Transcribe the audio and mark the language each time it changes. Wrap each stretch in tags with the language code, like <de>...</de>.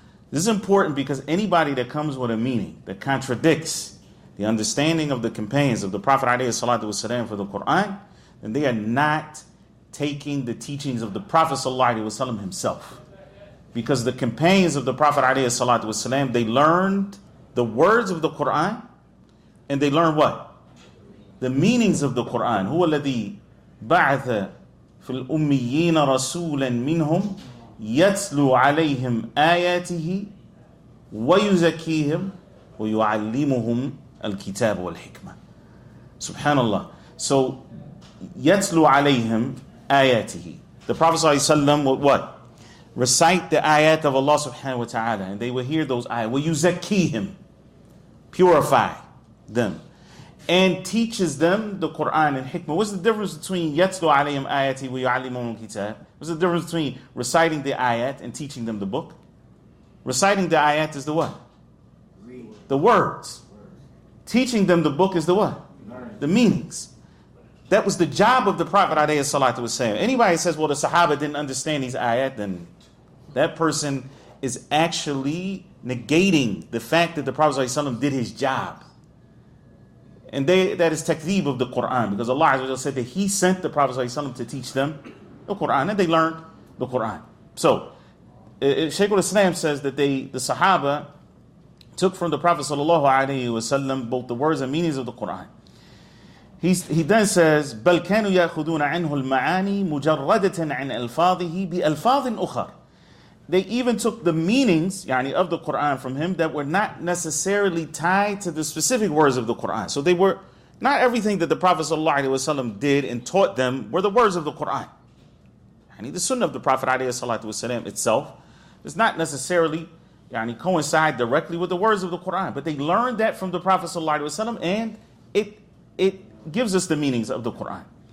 <en>This is important because anybody that comes with a meaning that contradicts the understanding of the companions of the Prophet ﷺ for the Quran, then they are not taking the teachings of the Prophet ﷺ himself. Because the companions of the Prophet ﷺ, they learned the words of the Quran, and they learned what? The meanings of the Quran.</en> <ar>هو الذي بعث في الأميين رسولا منهم يتلو عليهم آياته ويزكيهم ويعلمهم الكتاب والحكمة. Subhanallah.</ar> <en>So,</en> <ar>يتلو عليهم آياته.</ar> <en>The Prophet</en> <ar>صلى الله عليه وسلم</ar> <en>would what? Recite the ayat of Allah</en> <ar>subhanahu wa ta'ala,</ar> <en>and they will hear those ayat.</en> <ar>ويزكيهم.</ar> <en>Purify them. And teaches them the Quran and hikmah. What's the difference between</en> <ar>يتلو عليهم آياته ويعلمهم الكتاب?</ar> <en>What's the difference between reciting the ayat and teaching them the book? Reciting the ayat is the what? The words. Teaching them the book is the what? The meanings. That was the job of the Prophet</en> <ar>alayhi salatu wasalam.</ar> <en>Anybody says, well, the Sahaba didn't understand these ayat, then that person is actually negating the fact that the Prophet</en> <ar>alayhi salam</ar> <en>did his job. And that is takdhib of the Quran, because Allah</en> <ar>azza wa jalla</ar> <en>said that he sent the Prophet</en> <ar>alayhi salam</ar> <en>to teach them the Quran, and they learned the Quran. So, Shaykhul Islam says that the Sahaba took from the Prophet</en> <ar>sallallahu alayhi wa sallam</ar> <en>both the words and meanings of the Quran.</en> <ar>He then says, بَلْ كَانُوا يَأْخُذُونَ عَنْهُ الْمَعَانِي مُجَرَّدَةً عَنْ أَلْفَاظِهِ بِأَلْفَاظٍ أُخَرٍ.</ar> <en>They even took the meanings,</en> <ar>يعني,</ar> <en>of the Quran from him that were not necessarily tied to the specific words of the Quran. So they were, not everything that the Prophet</en> <ar>sallallahu alayhi wa sallam</ar> <en>did and taught them were the words of the Quran.</en> <ar>يعني,</ar> <en>the sunnah of the Prophet</en> <ar>alayhi salatu wa sallam</ar> <en>itself is not necessarily,</en> <ar>yani,</ar> <en>coincide directly with the words of the Quran, but they learned that from the Prophet</en> <ar>sallallahu alaihi wasallam,</ar> <en>and it gives us the meanings of the Quran.</en>